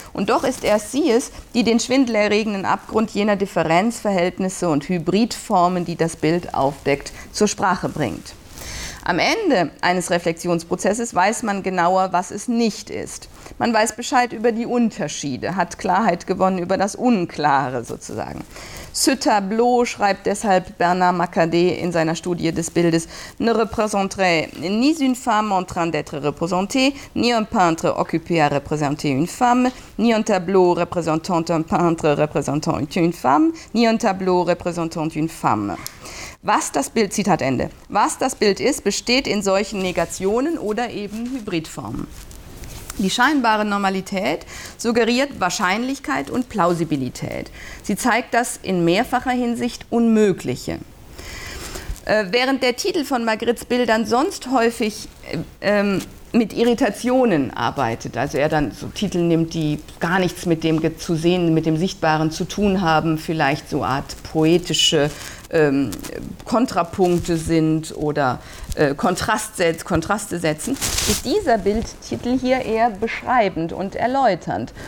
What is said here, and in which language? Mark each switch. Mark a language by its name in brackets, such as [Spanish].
[German] Und doch ist erst sie es, die den schwindelerregenden Abgrund jener Differenzverhältnisse und Hybridformen, die das Bild aufdeckt, zur Sprache bringt. Am Ende eines Reflexionsprozesses weiß man genauer, was es nicht ist. Man weiß Bescheid über die Unterschiede, hat Klarheit gewonnen über das Unklare sozusagen. [French] Ce tableau, [German] schreibt deshalb Bernard Macadé in seiner Studie des Bildes, [French] ne représenterait ni une femme en train d'être représentée, ni un peintre occupé à représenter une femme, ni un tableau représentant un peintre représentant une femme, ni un tableau représentant une femme. [German] Was das Bild, Zitat Ende, was das Bild ist, besteht in solchen Negationen oder eben Hybridformen. Die scheinbare Normalität suggeriert Wahrscheinlichkeit und Plausibilität. Sie zeigt das in mehrfacher Hinsicht Unmögliche. Während der Titel von Magrits Bildern sonst häufig mit Irritationen arbeitet, also er dann so Titel nimmt, die gar nichts mit dem zu sehen, mit dem Sichtbaren zu tun haben, vielleicht so Art poetische Kontrapunkte sind oder Kontraste setzen, ist dieser Bildtitel hier eher beschreibend und erläuternd.